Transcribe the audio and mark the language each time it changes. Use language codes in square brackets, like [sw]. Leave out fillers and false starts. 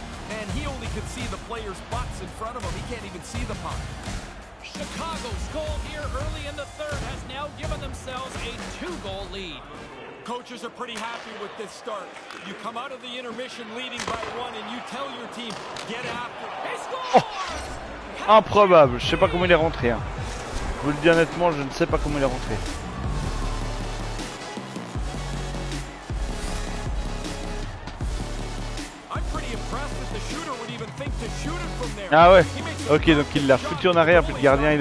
[en] And he only can see the player's butts in front of him, he can't even see the puck. Chicago's goal here early in the third has now given themselves a 2-goal lead. Coaches are pretty happy with this start. You come out of the intermission leading by one and you tell your team, get after it. Oh. [fr] Improbable, je sais pas comment il est rentré. Hein. Je vous le dis honnêtement, je ne sais pas comment il est rentré. [en] I'm pretty impressed that the shooter would even think to shoot it from there. [fr] Ah ouais. Ok, donc il l'a foutu en arrière, puis le gardien il.